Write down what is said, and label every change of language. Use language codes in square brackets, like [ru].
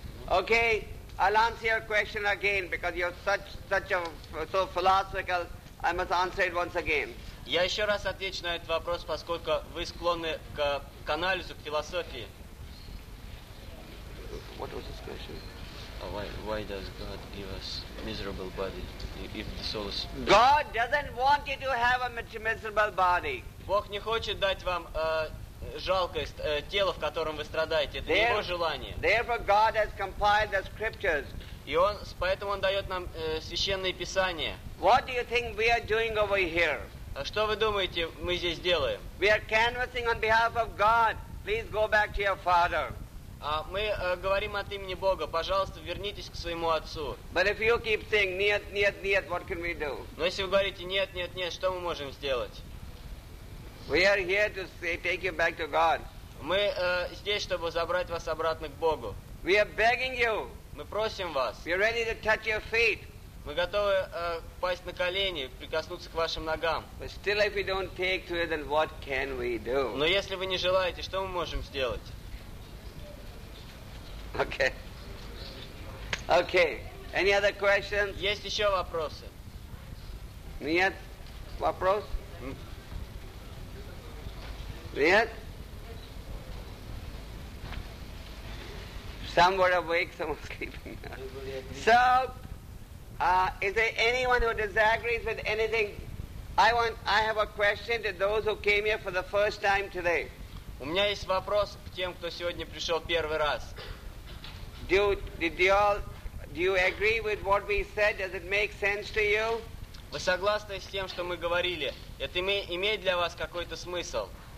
[en] Okay, I'll answer your question again because you're so philosophical. I must answer it once again. [ru] Я еще раз отвечу на этот вопрос, поскольку вы склонны к анализу, к философии. [en] What was this question? Why does God give us miserable body if the soul is? God doesn't want you to have a miserable body. [ru] Бог не хочет дать вам жалкость тела, в котором вы страдаете. Это Его желание. [en] Therefore, God has compiled the scriptures. [ru] И он поэтому он дает нам священные писания. [en] What do you think we are doing over here? [ru] Что вы думаете, мы здесь делаем? [en] We are canvassing on behalf of God. Please go back to your father. [ru] Мы говорим от имени Бога. Пожалуйста, вернитесь к своему отцу. [en] But if you keep saying [ru] нет, нет, нет, [en] what can we do? [ru] Но если вы говорите нет, нет, нет, что мы можем сделать? [en] We are here to say, take you back to God. [ru] Мы здесь, чтобы забрать вас обратно к Богу. [en] We are begging you. [ru] Мы просим вас. [en] We are ready to touch your feet. [ru] Мы готовы пасть на колени, прикоснуться к вашим ногам. [en] But still, if we don't take to it, then what can we do? [ru] Но если вы не желаете, что мы можем сделать? [en] Okay. Any other questions? [ru] Есть еще вопросы? Нет. Вопрос? Нет. [en] Some were awake, some were sleeping. So, is there anyone who disagrees with anything? I have a question to those who came here for the first time today. [ru] У меня есть вопрос к тем, кто сегодня пришел первый раз. [en] Do you agree with what we said? Does it make sense to you? [ru] Вы согласны с тем, что мы говорили? Это имеет для вас какой-то смысл?